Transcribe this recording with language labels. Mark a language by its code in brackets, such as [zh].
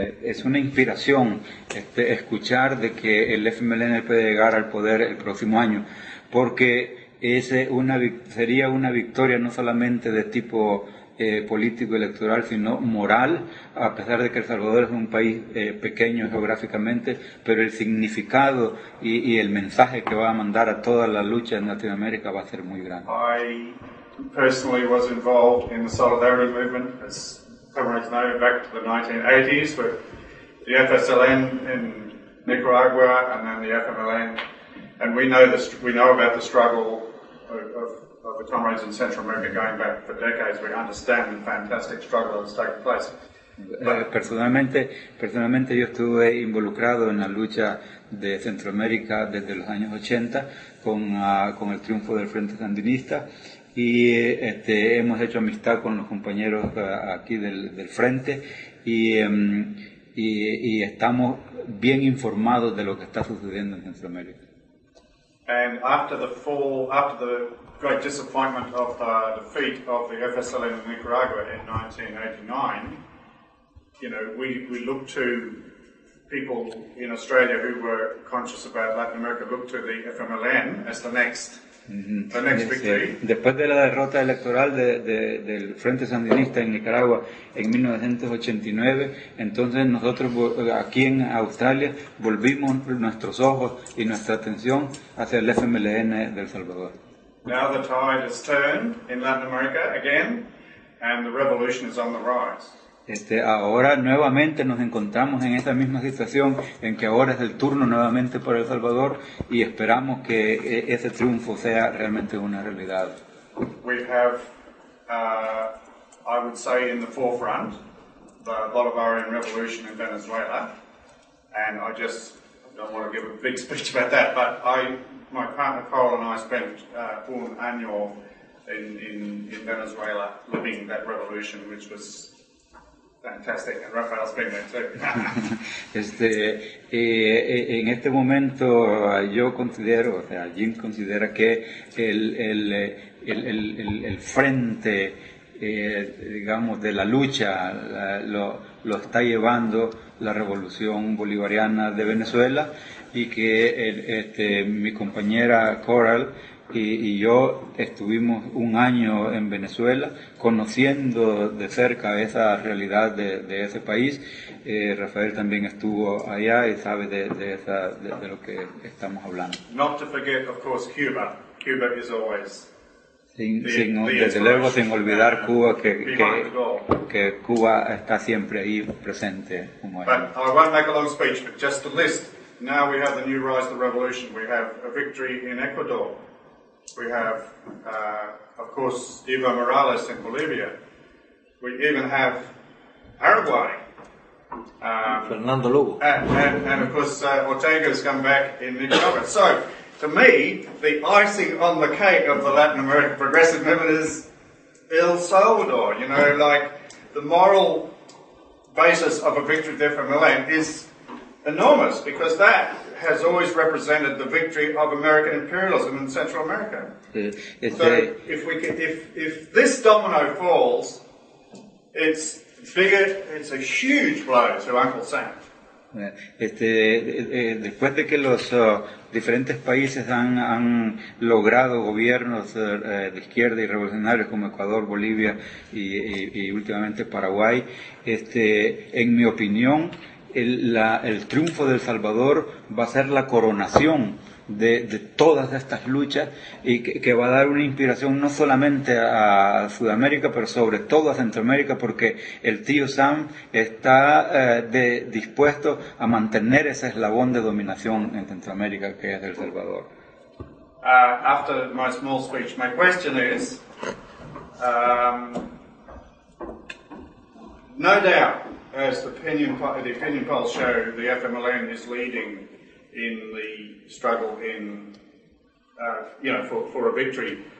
[es] Es una inspiración escuchar de que el FMLN puede llegar al poder el próximo año, porque sería una victoria no solamente de tipo político electoral, sino moral, a pesar de que El Salvador es un país pequeño geográficamente, pero el significado y el mensaje que va a mandar a toda la lucha en Latinoamérica va a ser muy grande. [en] I personally was involved in the solidarity movement, as comrades know, back to the 1980s, with the FSLN in Nicaragua and then the FMLN, and we know about the struggle of the comrades in Central America going back for decades. We understand the fantastic struggle that's taken place. [es] Personalmente yo estuve involucrado en la lucha de Centroamérica desde los años 80 con el triunfo del Frente Sandinista, y hemos hecho amistad con los compañeros aquí del Frente y estamos bien informados de lo que está sucediendo en Centroamérica. [en] And after the great disappointment of the defeat of the FSLN in Nicaragua in 1989, you know, we looked to people in Australia who were conscious about Latin America, looked to the FMLN as the next victory. [es] Después de la derrota electoral del Frente Sandinista en Nicaragua en 1989, entonces nosotros aquí en Australia volvimos nuestros ojos y nuestra atención hacia el FMLN del Salvador. [en] Now the tide has turned in Latin America again, and the revolution is on the rise. [es] Ahora nuevamente nos encontramos en esa misma situación en que ahora es el turno nuevamente para El Salvador, y esperamos que ese triunfo sea realmente una realidad. [en] We have, I would say, in the forefront, the Bolivarian Revolution in Venezuela, and I don't want to give a big speech about that, but my partner Carl and I spent [es] un año [en] in Venezuela living that revolution, which was fantastic, and Rafael's been there too. [es] En este momento yo considero, o sea, Jim considera que el frente, digamos, de la lucha lo está llevando la revolución bolivariana de Venezuela, y que mi compañera Coral y yo estuvimos un año en Venezuela conociendo de cerca esa realidad de ese país. Rafael también estuvo allá y sabe de lo que estamos hablando. [en] Not to forget, of course, Cuba. Cuba is always [es] desde luego sin olvidar Cuba, que Cuba está siempre ahí presente como ella. [en] But I won't make a long speech, but just to list. Now we have the new rise of the revolution. We have a victory in Ecuador. We have, of course, Evo Morales in Bolivia. We even have Paraguay. Fernando Lugo. And of course, Ortega's come back in Nicaragua. So, to me, the icing on the cake of the Latin American progressive movement is El Salvador. You know, like, the moral basis of a victory there for Milan is enormous, because that has always represented the victory of American imperialism in Central America. If this domino falls, it's bigger, it's a huge blow to Uncle Sam. [es] Después de que los diferentes países han logrado gobiernos de izquierda y revolucionarios como Ecuador, Bolivia y últimamente Paraguay, en mi opinión, el triunfo de El Salvador va a ser la coronación de todas estas luchas, y que va a dar una inspiración no solamente a Sudamérica, pero sobre todo a Centroamérica, porque el tío Sam está dispuesto a mantener ese eslabón de dominación en Centroamérica, que es El Salvador. [en] After my small speech, my question is, no doubt, as the opinion polls show, the FMLN is leading in the struggle in, for a victory.